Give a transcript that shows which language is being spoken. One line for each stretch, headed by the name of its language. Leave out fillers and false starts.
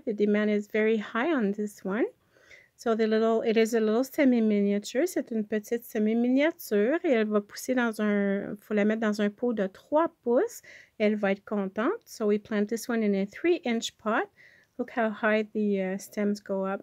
English: The demand is very high on this one. So it is a little semi-miniature.
French: C'est une petite semi-miniature et elle va pousser dans un, faut la mettre dans un pot de 3 pouces. Elle va être contente.
English: So we plant this one in a 3-inch pot. Look how high the stems go up.